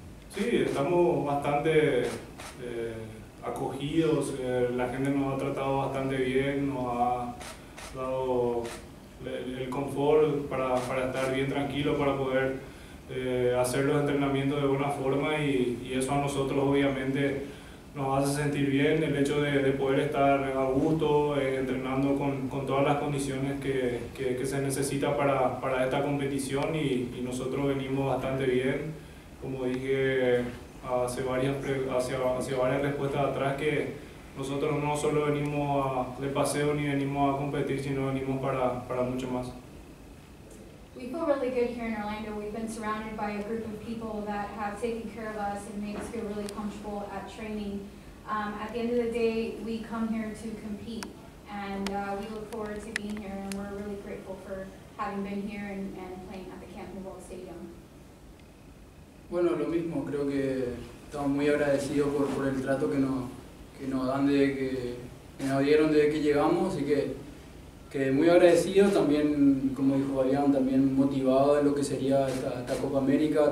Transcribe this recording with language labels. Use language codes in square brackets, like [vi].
[es] Sí, estamos bastante acogidos, la gente nos ha tratado bastante bien, nos ha dado el confort para estar bien tranquilo, para poder hacer los entrenamientos de buena forma y eso a nosotros obviamente nos hace sentir bien, el hecho de poder estar a gusto, entrenando con todas las condiciones que se necesita para esta competición y nosotros venimos bastante bien. Como dije hace varias respuestas atrás, que nosotros no solo venimos de paseo ni venimos a competir, sino venimos para mucho más. [en] We feel really good here in Orlando. We've been surrounded by a group of people that have taken care of us and made us feel really comfortable at training. At the end of the day, we come here to compete, and we look forward to being here, and we're really grateful for having been here and playing at the Camping World Stadium. [es] Bueno, lo mismo, creo que estamos muy agradecidos por el trato que nos dan desde que nos dieron desde que llegamos, así que muy agradecidos, también, como dijo Adrián, también motivados en lo que sería esta Copa América.